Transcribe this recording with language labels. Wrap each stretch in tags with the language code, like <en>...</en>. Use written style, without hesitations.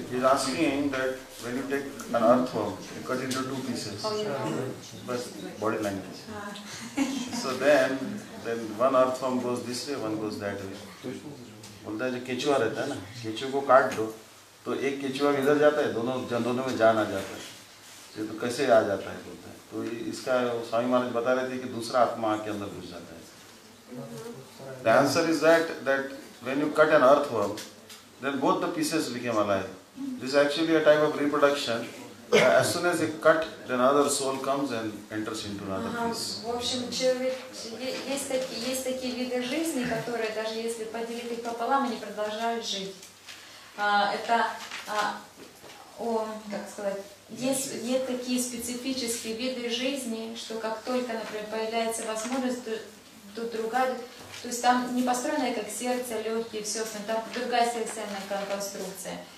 <en>He is asking that when you take an earthworm, you cut into two pieces. But body language. So then one earthworm goes this way, one goes that way.</en> <hi>बोलता है जो केचुआ रहता है ना, केचुए को काट दो, तो एक केचुआ इधर जाता है, दोनों में जान आ जाता है. ये तो कैसे आ जाता है बोलता है. तो इसका स्वामी महाराज बता रहे थे कि दूसरा आत्मा आके अंदर घुस जाता है.</hi> <en>The answer is that when you cut an earthworm, then both the pieces become alive. This is actually a type of reproduction. As soon as you cut, then another soul comes and enters into another piece.</en> <ru>В общем, есть такие виды жизни, которые даже если поделить их пополам, они продолжают жить. Это как сказать, есть такие специфические виды жизни, что как только, например, появляется возможность, то другая, то есть там не построенное как сердце, легкие, все остальное, там другая сердечная конструкция.</ru>